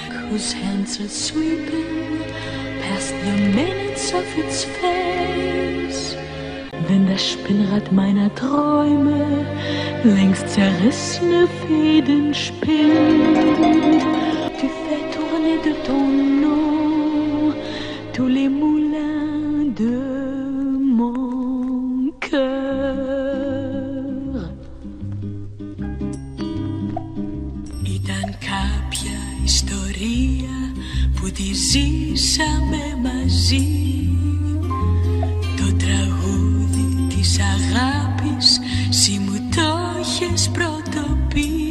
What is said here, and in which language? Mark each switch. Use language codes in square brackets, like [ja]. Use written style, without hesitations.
[en] Whose hands are sweeping past the minutes of its face. [de] Wenn das Spinnrad meiner Träume längst zerrissene Fäden spinnt. [fr] Tu fais tourner de ton nom tous les moulins de mon cœur. [el] Ήταν κάποια ιστορία που τη ζήσαμε μαζί. Το τραγούδι της αγάπης εσύ μου το έχεις πρώτο πει.